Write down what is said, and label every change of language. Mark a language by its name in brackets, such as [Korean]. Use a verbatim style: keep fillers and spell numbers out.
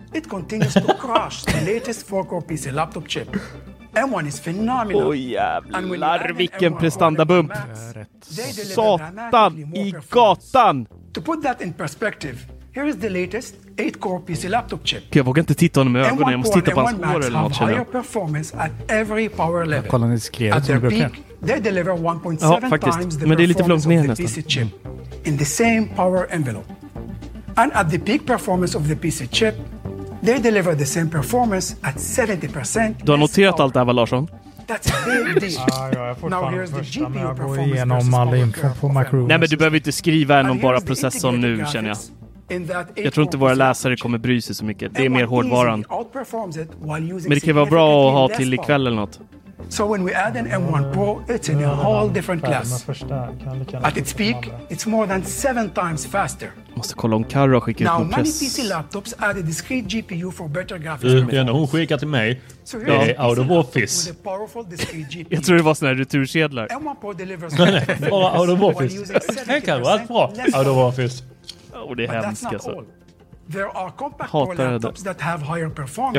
[English] It continues to crush the latest four-core P C laptop chip. M one is phenomenal. [Swedish] Åh jävlar, vilken prestandabump. Satan i gatan. [English] To put that in perspective, here is the latest eight-core P C laptop chip. [Swedish] Jag vågar inte titta honom i ögonen. Jag måste titta på hans skor eller något. [English] Higher performance at every power level. [Swedish] Kolla ni skrev [English] at their peak, they deliver one point seven times the performance of the P C chip in the same power envelope. And at the peak performance of the P C chip, they deliver the same performance at seventy percent. [Swedish] Du har noterat allt det här, va, Larsson? [English] That's a big deal. Now here's the G P U performance. Nej, [Swedish] men du behöver inte skriva en om bara processorn nu, känner jag. Jag tror inte våra läsare kommer bry sig så mycket. Det är mer hårdvaran. Men det kan vara bra att ha till ikväll eller något. [English] So when we add an M one Pro, it's in a whole different class. At its peak, it's more than seven times faster. [Swedish] Måste kolla om Carro skickar ut någon press. [English] Now, many P C laptops add a discrete G P U for better graphics performance. [Swedish] Den hon skickar till mig, so det är out of office. Jag tror det var såna här retursedlar. Bara out of office. Här kan vara allt bra. Out of office. Och det är hemskt alltså. [English] There are compact core laptops that have higher performance.